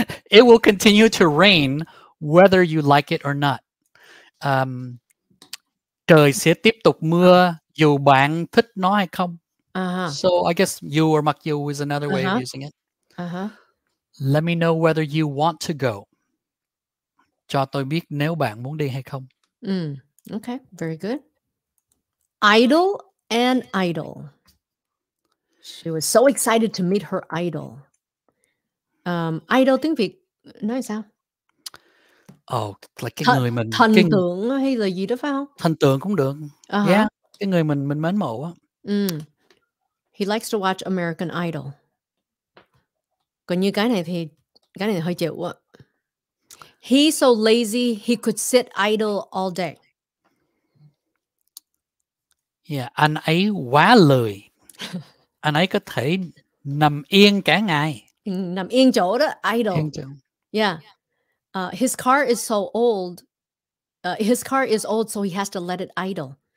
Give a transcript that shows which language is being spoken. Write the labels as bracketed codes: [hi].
[en] It will continue to rain whether you like it or not. [vi] Trời sẽ tiếp tục mưa dù bạn thích nó hay không. [en] So I guess you or mặc dù is another way of using it. Let me know whether you want to go. [vi] Cho tôi biết nếu bạn muốn đi hay không. [en] Okay, very good. Idol and idol. She was so excited to meet her idol. [vi] Idol tiếng Việt nói sao? [en] Oh, like [vi] cái người mình thần tượng hay là gì đó phải không? Thần tượng cũng được. Yeah, cái người mình mến mộ á. [en] He likes to watch American Idol. [vi] Còn như cái này thì hơi chịu á. [en] He's so lazy he could sit idle all day. [vi] Yeah, anh ấy quá lười. Anh ấy có thể Nằm yên cả ngày. Nằm yên chỗ đó, idle. Yên chỗ. [en] Yeah. His car is so old. His car is old, so he has to let it idle.